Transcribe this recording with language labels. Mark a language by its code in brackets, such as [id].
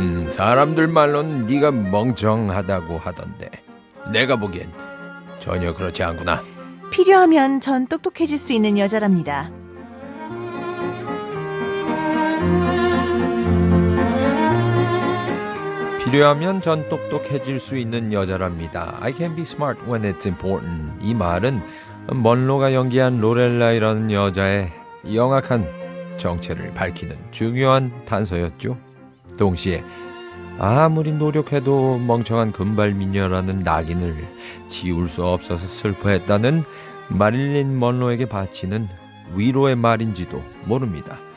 [ko] 사람들 말로는 네가 멍청하다고 하던데 내가 보기엔 전혀 그렇지 않구나. 필요하면 전 똑똑해질 수 있는 여자랍니다. 필요하면 전 똑똑해질 수 있는 여자랍니다. [en] I can be smart when it's important. [ko] 이 말은 먼로가 연기한 로렐라이라는 여자의 영악한 정체를 밝히는 중요한 단서였죠. 동시에 아무리 노력해도 멍청한 금발 미녀라는 낙인을 지울 수 없어서 슬퍼했다는 마릴린 먼로에게 바치는 위로의 말인지도 모릅니다.